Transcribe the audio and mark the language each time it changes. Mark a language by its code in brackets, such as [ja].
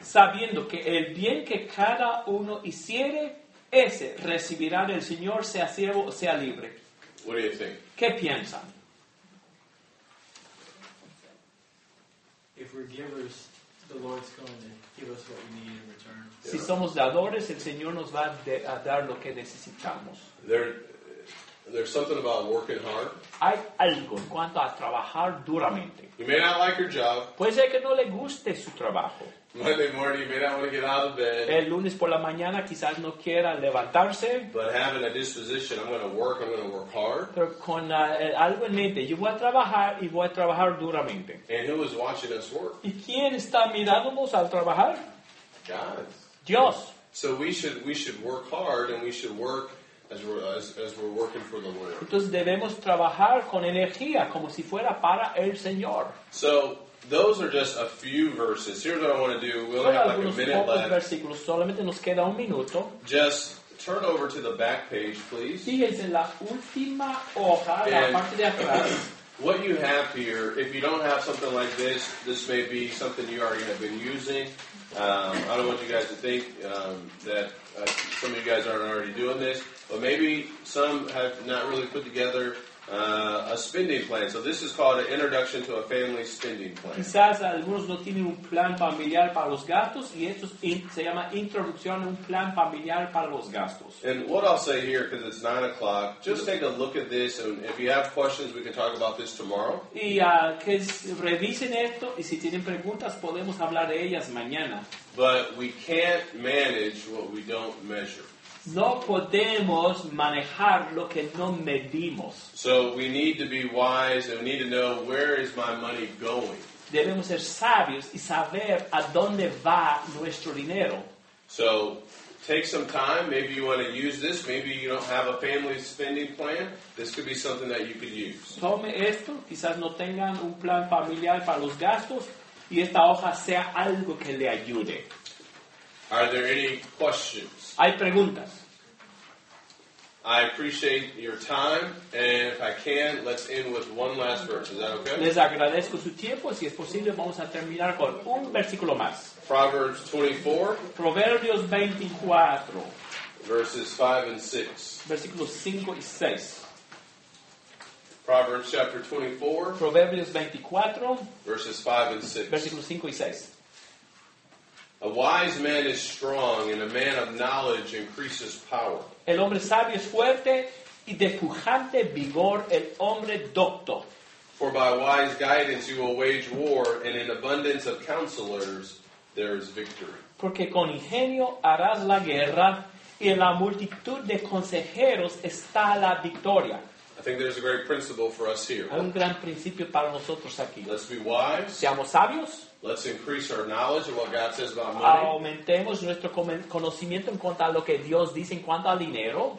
[es] Sabiendo que el bien que cada uno hiciere, ese recibirá del Señor, sea siervo o sea libre. [en] What do you think? [es] ¿Qué piensan? [en] If we're givers, the Lord's going to give us what we need in return. [es] Si somos dadores, el Señor nos va a dar lo que necesitamos. [en] There's something about working hard. [es] Hay algo en cuanto a trabajar duramente. [en] You may not like your job. [es] Puede ser que no le guste su trabajo. [en] Monday morning, you may not want to get out of bed. [es] El lunes por la mañana quizás no quiera levantarse. [en] But having a disposition, I'm going to work hard. [es] Pero con algo en mente, yo voy a trabajar y voy a trabajar duramente. [en] And who is watching us work? [es] ¿Y quién está mirándonos al trabajar? [en] God. [es] Dios. [en] So we should work hard and we should work as we're working for the Lord. [es] Entonces debemos trabajar con energía como si fuera para el Señor. [en] So those are just a few verses. Here's what I want to do. We only have like a minute left. [es] Versículos. Solamente nos queda un minuto. [en] Just turn over to the back page, please. [es] Fíjense la última hoja, la parte de atrás. [en] What you have here, if you don't have something like this, this may be something you already have been using. I don't want you guys to think some of you guys aren't already doing this, but maybe some have not really put together a spending plan. So this is called an introduction to a family spending plan. [es] Quizás algunos no tienen un plan familiar para los gastos, y esto se llama introducción a un plan familiar para los gastos. [en] And what I'll say here, because it's 9:00, just take a look at this, and if you have questions, we can talk about this tomorrow. [es] Y que revisen esto, y si tienen preguntas, podemos hablar de ellas mañana. [en] But we can't manage what we don't measure. [es] No podemos manejar lo que no medimos. [en] So we need to be wise and we need to know where is my money going. [es] Debemos ser sabios y saber a dónde va nuestro dinero. [en] So take some time. Maybe you want to use this. Maybe you don't have a family spending plan. This could be something that you could use. [es] Tome esto. Quizás no tengan un plan familiar para los gastos y esta hoja sea algo que le ayude. [en] Are there any questions? [es] Hay preguntas. [en] I appreciate your time, and if I can, let's end with one last verse. Is that okay? [es] Les agradezco su tiempo. Si es posible, vamos a terminar con un versículo más. [en] Proverbs 24. [es] Proverbios 24. [en] Verses 5 and 6. [es] Versículos 5 y 6. [en] Proverbs chapter 24. [es] Proverbios 24. [en] Verses 5 and 6. [es] Versículos 5 y 6. [en] A wise man is strong, and a man of knowledge increases power. [es] El hombre sabio es fuerte, y de pujante vigor el hombre docto. [en] For by wise guidance you will wage war, and in abundance of counselors there is victory. [es] Porque con ingenio harás la guerra, y en la multitud de consejeros está la victoria. [en] I think there's a great principle for us here. [es] Hay un gran principio para nosotros aquí. [en] Let's be wise. [es] Seamos sabios. [en] Let's increase our knowledge of what God says about money. [es] Aumentemos nuestro conocimiento en cuanto a lo que Dios dice en cuanto al dinero.